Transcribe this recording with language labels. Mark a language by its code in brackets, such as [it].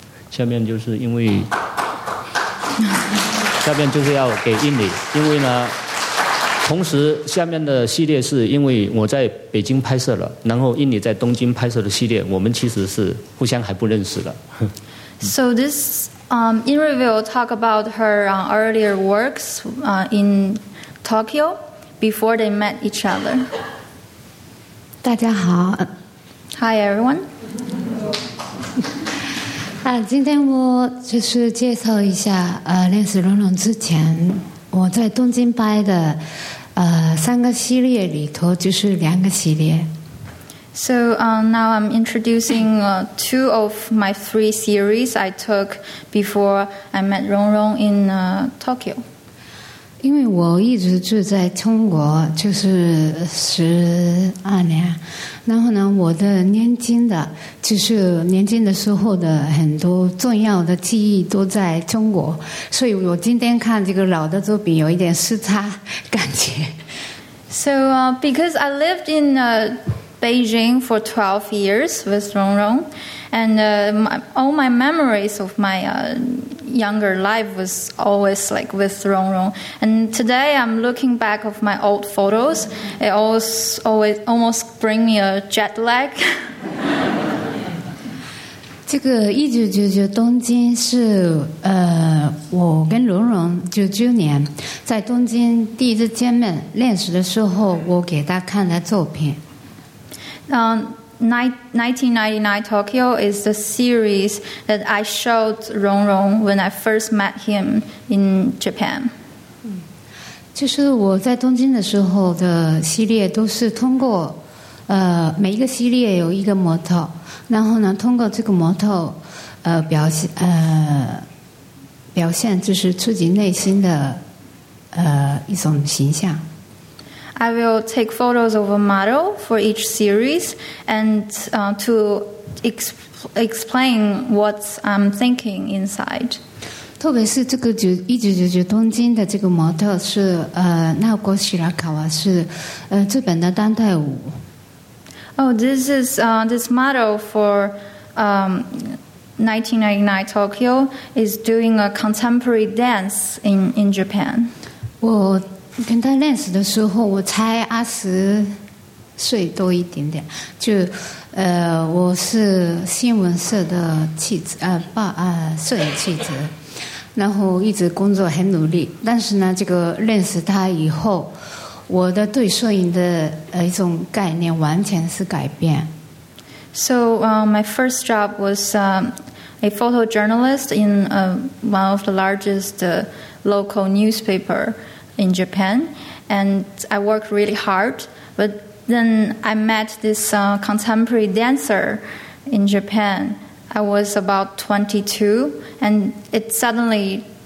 [zh] 下面就是因为，下面就是要给印尼，因为呢。同时下面的系列是因为我在北京拍摄了，然后印尼在东京拍摄的系列，我们其实是互相还不认识的。 [en] So this Inri will talk about her earlier works in Tokyo before they met each other. [zh] 大家好。 [en] Hi everyone. [zh] 今天我就是介绍一下认识龙龙之前我在东京拍的三个系列里头就是两个系列。 [en] So now I'm introducing two of my three series I took before I met Rong Rong in Tokyo. [zh] 因为我一直住在中国，就是12年，然后呢，我的年轻的，就是年轻的时候的很多重要的记忆都在中国，所以我今天看这个老的作品有一点时差感觉。 [en] So because I lived in Beijing for 12 years with Rong Rong, and all my memories of my younger life was always like with Rong Rong. And today I'm looking back of my old photos. It always almost bring me a jet lag. [zh] 这个1999东京是我跟蓉蓉99年在东京第一次见面认识的时候我给她看的作品。 [en] 1999 Tokyo is the series that I showed Rong Rong when I first met him in Japan. [zh] 就是我在东京的时候的系列都是通过每一个系列有一个模特，然后呢通过这个模特表现就是自己内心的一种形象。 [en] I will take photos of a model for each series and to explain what I'm thinking inside. [zh] 特别是这个1999东京的这个模特是奈国西拉卡瓦，是日本的当代舞。 [en] Oh, this is this model for 1999 Tokyo is doing a contemporary dance in Japan. [zh] 我跟他认识的时候，我才20岁多一点点，就我是新闻社的记者，摄影记者，然后一直工作很努力。但是呢，这个认识他以后，我的对摄影的一种概念完全是改变。 [en] So, my first job was a photojournalist in one of the largest local newspaper in Japan, and I worked really hard. But then I met this contemporary dancer in Japan. I was about 22, and it suddenly